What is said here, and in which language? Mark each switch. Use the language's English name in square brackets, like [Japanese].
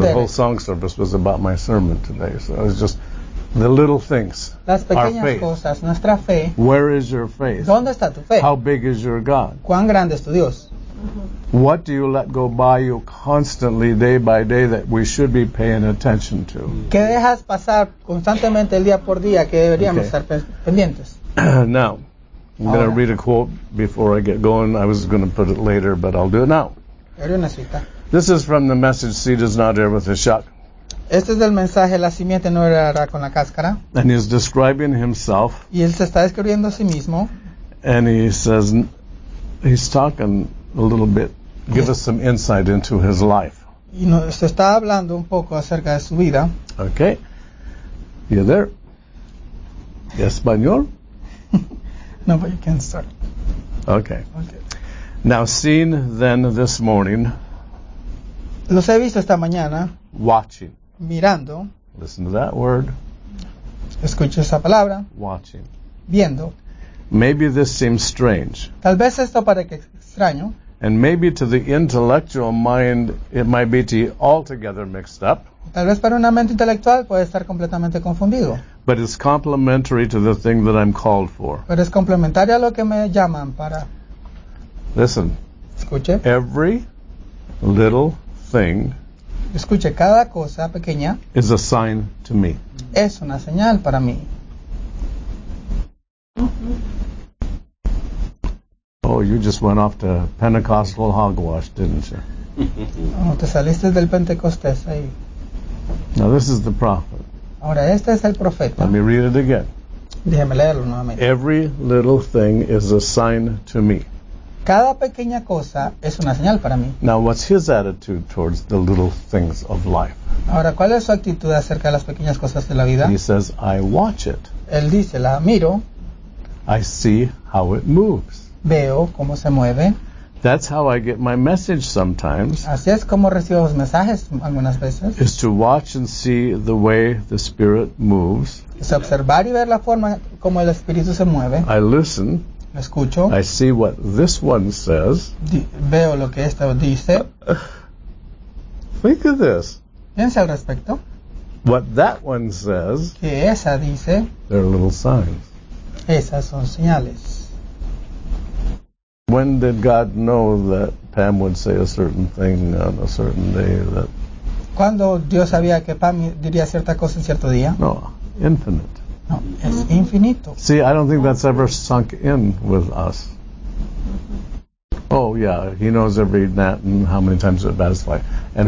[English] The whole song service was about my sermon today, so it was just the little things. [Spanish] Las pequeñas cosas, nuestra fe. [English] Where is your faith? [Spanish] ¿Dónde está tu fe? [English] How big is your God? [Spanish] ¿Cuán grande es tu Dios? [English] What do you let go by you constantly, day by day, that we should be paying attention to? [Spanish] ¿Qué dejas pasar constantemente el día por día que deberíamos okay. estar pendientes? [English] Now, I'm going to read a quote before I get going. I was going to put it later, but I'll do it now. This is from the message, Seed Is Not Air with a Shuck. [Spanish] Este es del mensaje, La Simiente No Errará con la Cáscara. [English] And he's describing himself. [Spanish] Y él se está describiendo a sí mismo. [English] And he says, he's talking a little bit, give us some insight into his life. [Spanish] Y nos está hablando un poco acerca de su vida. [English] Okay. You there? [Spanish] ¿Es español? [English] No, but you can start. Okay. Now, seen then this morning. [Spanish] Los he visto esta mañana. [English] Watching. [Spanish] Mirando. [English] Listen to that word. [Spanish] Escucha esa palabra. [English] Watching. [Spanish] Viendo. [English] Maybe this seems strange. [Spanish] Tal vez esto parezca extraño. [English] And maybe to the intellectual mind, it might be altogether mixed up. [Spanish] Tal vez para una mente intelectual puede estar completamente confundido. [English] But it's complementary to the thing that I'm called for. [Spanish] Pero es complementario a lo que me llaman para. [English] Listen. [Spanish] Escuche. [English] Every little thing. [Spanish] Escuche, cada cosa pequeña. [English] Is a sign to me. [Spanish] Es una señal para mí. [English] Oh, you just went off to Pentecostal hogwash, didn't you? [Spanish] No, te saliste del Pentecostés ahí. [English] Now this is the prophet. [Spanish] Ahora este es el profeta. [English] Let me read it again. [Spanish] Déjeme leerlo nuevamente. [English] Every little thing is a sign to me. [Spanish] Cada pequeña cosa es una señal para mí. [English] Now what's his attitude towards the little things of life? [Spanish] Ahora, ¿cuál es su actitud acerca de las pequeñas cosas de la vida? [English] He says, I watch it. [Spanish] Él dice, la miro. [English] I see how it moves. [Spanish] Veo cómo se mueve. [English] That's how I get my message sometimes. [Spanish] Así es como recibo los mensajes algunas veces. [English] Is to watch and see the way the Spirit moves. [Spanish] Es observar y ver la forma como el Espíritu se mueve. [English] I listen. [Spanish] Me escucho. [English] I see what this one says. [Spanish] Veo lo que esto dice. [English] Think of this. [Spanish] Piensa al respecto. [English] What that one says. [Spanish] Que esa dice. [English] They're little signs. [Spanish] Esas son señales. [English] When did God know that Pam would say a certain thing on a certain day? That. [Spanish] ¿Cuándo Dios sabía que Pam diría cierta cosa en cierto día? [English] No, infinite. [Spanish] No, es infinito. [English] See, I don't think that's ever sunk in with us. Oh yeah, he knows every gnat and how many times it bats fly, and